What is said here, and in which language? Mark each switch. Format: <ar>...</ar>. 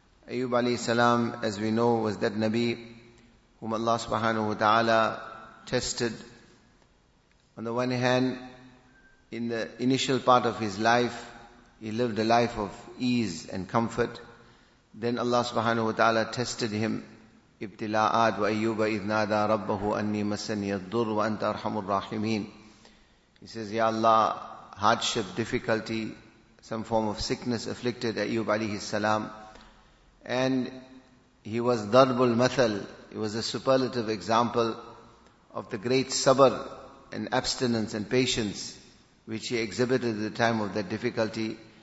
<en>Ayyub alayhi salam, as we know, was that Nabi whom Allah subhanahu wa ta'ala tested. On the one hand, in the initial part of his life, he lived a life of ease and comfort. Then Allah subhanahu wa ta'ala tested him.</en> <ar>ابتلاءات وأيوب إذ نادى ربه أني مسني الضر وأنت أرحم الراحمين.</ar> <en>He says, Ya Allah, hardship, difficulty, some form of sickness afflicted Ayyub عليه السلام. And he was ضرب المثل, he was a superlative example of the great sabr and abstinence and patience which he exhibited at the time of that difficulty.</en>